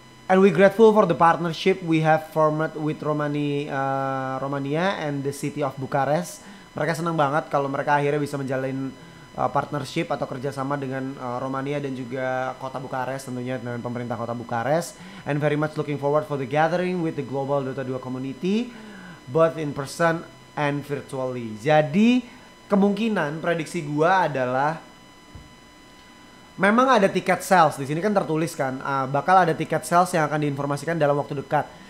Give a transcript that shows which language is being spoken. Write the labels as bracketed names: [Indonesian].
[English] And we grateful for the partnership we have formed with Romania and the city of Bukarest. [Indonesian] Mereka senang banget kalau mereka akhirnya bisa menjalin partnership atau kerjasama dengan Romania dan juga kota Bukarest, tentunya dengan pemerintah kota Bukarest. [English] And very much looking forward for the gathering with the global Dota 2 community, both in person and virtually. [Indonesian] Jadi kemungkinan prediksi gue adalah memang ada tiket sales di sini kan tertulis kan, bakal ada tiket sales yang akan diinformasikan dalam waktu dekat.